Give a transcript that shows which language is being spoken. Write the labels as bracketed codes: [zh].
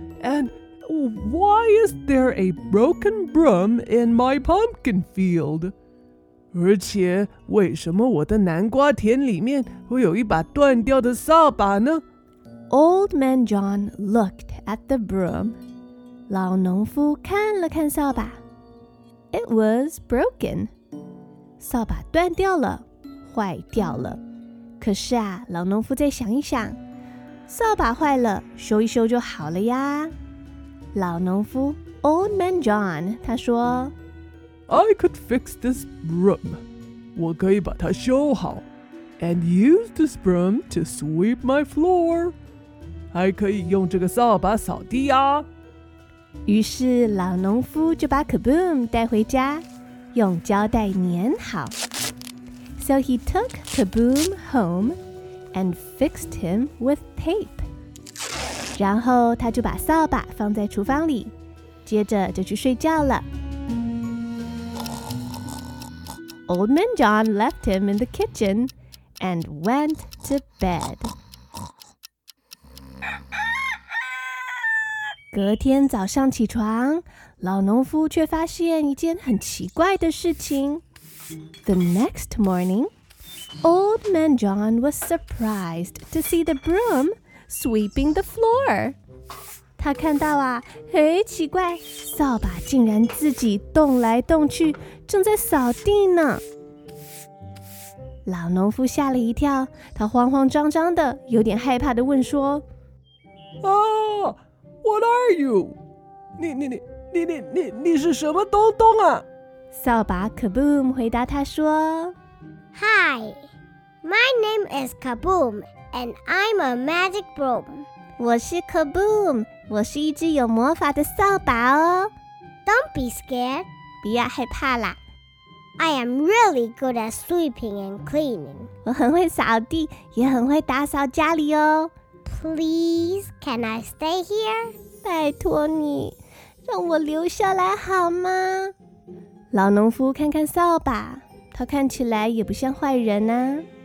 [en] And why is there a broken broom in my pumpkin field? [zh] 而且为什么我的南瓜田里面会有一把断掉的扫把呢？ [en] Old Man John looked at the broom. [zh] 老农夫看了看扫把， [en] It was broken. [zh] 扫把断掉了，坏掉了。可是啊，老农夫再想一想，扫把坏了，修一修就好了呀。老农夫 Old Man John 他说， [en] I could fix this broom. [zh] 我可以把它修好， [en] and use this broom to sweep my floor. [zh] 还可以用这个扫把扫地啊。于是老农夫就把 Kaboom 带回家，用胶带粘好。 [en] So he took Kaboom home and fixed him with tape. [zh] 然后他就把扫把放在厨房里，接着就去睡觉了。 [en] Old Man John left him in the kitchen and went to bed. [zh] 隔天早上起床，老农夫却发现一件很奇怪的事情。 [en] The next morning, Old Man John was surprised to see the broom sweeping the floor. [zh] 他看到啊，哎，奇怪，扫把竟然自己动来动去，正在扫地呢。老农夫吓了一跳，他慌慌张张的，有点害怕的问说：“ 啊、， [en] What are you？ [zh] 你是什么东东啊？” 扫把 Kaboom 回答他说 [en] ：“Hi, my name is Kaboom, and I'm a magic broom。” [zh] 我是 Kaboom， 我是一只有魔法的扫把哦。 [en] Don't be scared， [zh] 不要害怕啦。 [en] I am really good at sweeping and cleaning。 [zh] 我很会扫地，也很会打扫家里哦。 [en] Please, can I stay here？ [zh] 拜托你，让我留下来好吗？老农夫看看扫把，他看起来也不像坏人啊。